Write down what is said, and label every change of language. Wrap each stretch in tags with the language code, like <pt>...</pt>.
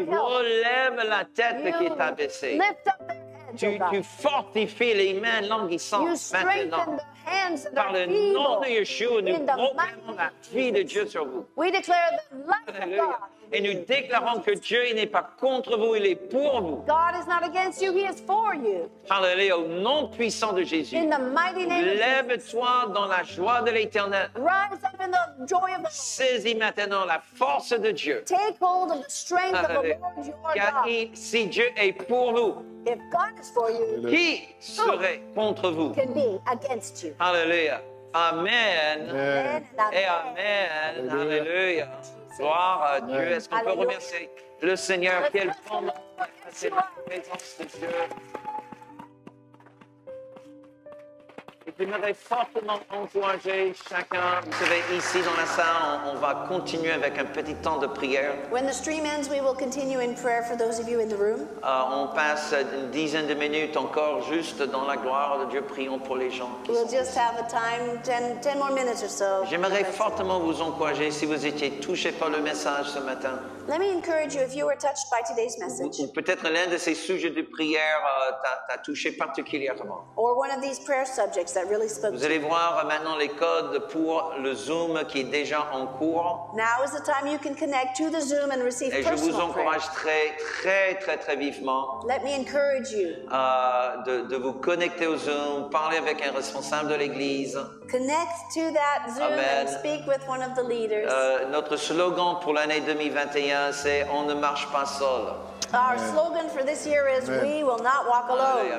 <fr>tu relèves la tête qui est abaissée.</fr> <en>Lift up their heads.</en> <fr>tu fortifies les mains languissantes maintenant. Par le nom de Yeshua, nous proclamons la vie de Dieu sur vous.</fr> <en>We declare the life of God.</en> <fr>Et nous déclarons que Dieu n'est pas contre vous, il est pour vous.</fr> <en>God is not against you, he is for you.</en> <fr>Hallelujah, au nom puissant de Jésus.</fr> <en>In the mighty name of Jesus.</en> <fr>Lève-toi dans la joie de l'Éternel.</fr> <en>Rise up in the joy of the Lord.</en> <fr>Saisis maintenant la force de Dieu.</fr> <en>Take hold of the strength of the Lord your God.</en> <fr>Car si Dieu est pour nous,</fr> <en>if God is for you,</en> <fr>qui serait contre vous?</fr> <en>Can be against you. Hallelujah. Amen. Amen.</en> <fr>Amen. Et amen. Alléluia. Gloire à Dieu. Est-ce qu'on peut remercier le Seigneur? Quel bon moment. C'est la présence de Dieu. Et j'aimerais fortement encourager chacun. Vous savez, ici dans la salle, on va continuer avec un petit temps de prière.</fr> <en>When the stream ends, we will continue in prayer for those of you in the room.</en> <fr>On passe une dizaine de minutes encore juste dans la gloire de Dieu. Prions pour les gens.</fr> <en>We'll just have a time, 10 more minutes or so.</en> <fr>J'aimerais fortement vous encourager si vous étiez touché par le message ce matin.</fr> <en>Let me encourage you if you were touched by today's message.</en> <fr>Peut-être l'un de ces sujets de prière t'a touché particulièrement.</fr> <en>Or one of these prayer subjects that really spoke to you.</en> <fr>Vous allez voir maintenant les codes pour le Zoom qui est déjà en cours.</fr> <en>Now is the time you can connect to the Zoom and receive personal prayer.</en> <fr>Et je vous encourage très, très, très, très vivement.</fr> <en>Let me encourage you.</en> <fr>De vous connecter au Zoom, parler avec un responsable de l'église.</fr> <en>Connect to that Zoom and speak with one of the leaders.</en> <fr>Notre slogan pour l'année 2021. C'est on ne marche pas seul.</fr> <en>Our slogan for this year is we will not walk alone.</en>